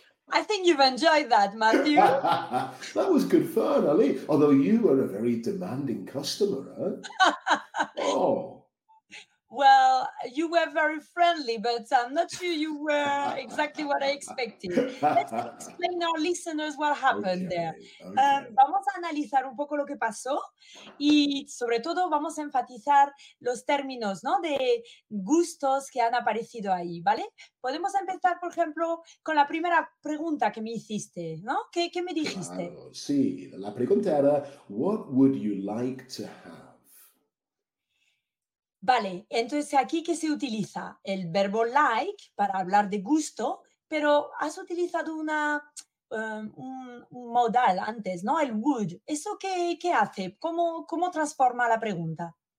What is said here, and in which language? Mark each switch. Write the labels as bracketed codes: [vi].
[en] I think you've enjoyed that, Matthew. That was good fun, Ali. Although you are a very demanding customer, huh? Oh. Well, you were very friendly, but I'm not sure you were exactly what I expected. Let's explain our listeners what happened there. [es] Vamos a analizar un poco lo que pasó y sobre todo vamos a enfatizar los términos, ¿no?, de gustos que han aparecido ahí, ¿vale? Podemos empezar, por ejemplo, con la primera pregunta que me hiciste, ¿no? ¿Qué me dijiste? Claro, sí, la pregunta era, [en] what would you like to have? [es] Vale, entonces aquí que se utiliza el verbo like para hablar de gusto, pero has utilizado una un modal antes, ¿no? El would. ¿Eso qué hace? ¿Cómo transforma la pregunta?